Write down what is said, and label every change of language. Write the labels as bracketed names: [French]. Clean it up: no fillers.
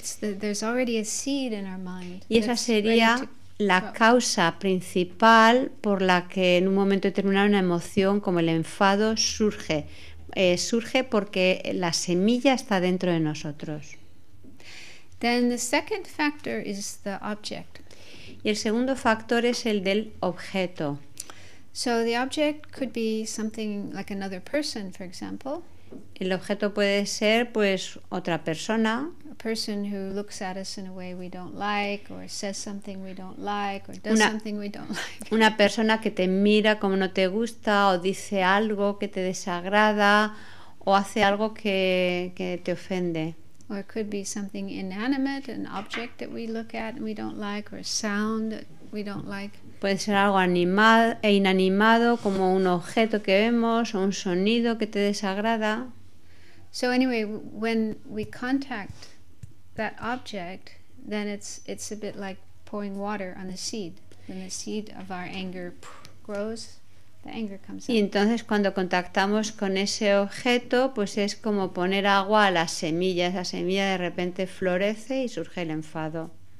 [English] There's already a seed in our mind. [Spanish] Y esa sería la causa principal por la que en un momento determinado una emoción como el enfado surge. Surge porque la semilla está dentro de nosotros. [English] Then the second factor is the object. [Spanish] Y el segundo factor es el del objeto. [English] So the object could be something like another person, for example. [Spanish] El objeto puede ser pues otra persona. [English] A person who looks at us in a way we don't like, or says something we don't like, or does something we don't like. [Spanish] Una persona que te mira como no te gusta, o dice algo que te desagrada, o hace algo que te ofende. [English] Or it could be something inanimate, an object that we look at and we don't like, or a sound that we don't like. [Spanish] Puede ser algo animado e inanimado, como un objeto que vemos o un sonido que te desagrada. [English] So anyway, when we contact that object, then it's a bit like pouring water on the seed. When the seed of our anger grows, the anger comes up. [Spanish] Y entonces cuando contactamos con ese objeto, pues es como poner agua a la semilla. Esa semilla de repente florece y surge el enfado.